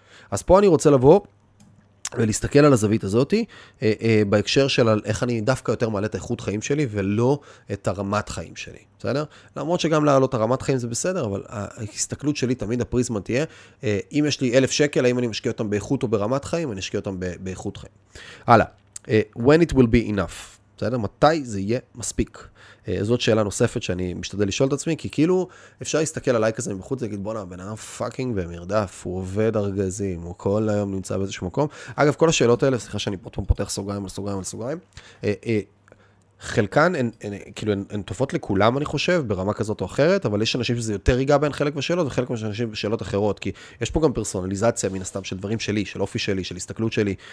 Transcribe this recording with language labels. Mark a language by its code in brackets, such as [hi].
[he] אז פה אני רוצה לבוא ולהסתכל על הזווית הזאת, בהקשר של איך אני דווקא יותר מעלה את האיכות חיים שלי, ולא את הרמת חיים שלי, בסדר? למרות שגם להעלות הרמת חיים זה בסדר, אבל ההסתכלות שלי תמיד הפריזמה תהיה, אם יש לי 1,000 שקל, האם אני משקיע אותם באיכות או ברמת חיים, אני אשקיע אותם באיכות חיים. הלאה, [en] when it will be enough, [he] בסדר? מתי זה יהיה מספיק? זאת שאלה נוספת שאני משתדל לשאול את עצמי, כי כאילו אפשר להסתכל עליי כזה מבחוץ, להגיד בוא נע, בן אדם פאקינג במרדף, הוא עובד ארגזים, הוא כל היום נמצא באיזשהו מקום. אגב, כל השאלות האלה, סליחה שאני עוד פעם פותח סוגריים על סוגריים על סוגריים, חלקן כאילו הן תופעות לכולם, אני חושב, ברמה כזאת או אחרת, אבל יש אנשים שזה יותר ייגע בהן חלק בשאלות, וחלק מהאנשים בשאלות אחרות, כי יש פה גם פרסונליזציה מן הסתם של דברים שלי, של אופי שלי, של הסתכלות שלי.